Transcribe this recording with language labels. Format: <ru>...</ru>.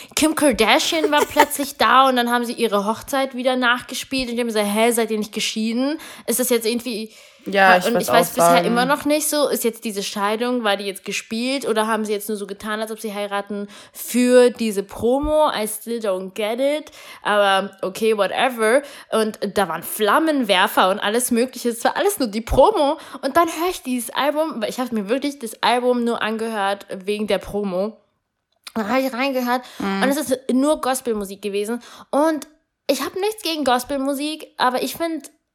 <de>Kim Kardashian war plötzlich da und dann haben sie ihre Hochzeit wieder nachgespielt und ich habe mir gesagt, hä, seid ihr nicht geschieden? Ist das jetzt irgendwie... Ja, ich weiß bisher immer noch nicht so, ist jetzt diese Scheidung, war die jetzt gespielt oder haben sie jetzt nur so getan, als ob sie heiraten für diese Promo?</de> <en>I still don't get it,</en> <de>aber okay,</de> <en>whatever.</en> <de>Und da waren Flammenwerfer und alles Mögliche, es war alles nur die Promo. Und dann höre ich dieses Album, weil ich habe mir wirklich das Album nur angehört wegen der Promo. Da habe ich reingehört und es ist nur Gospelmusik gewesen. Und ich habe nichts gegen Gospelmusik, aber ich finde...</de>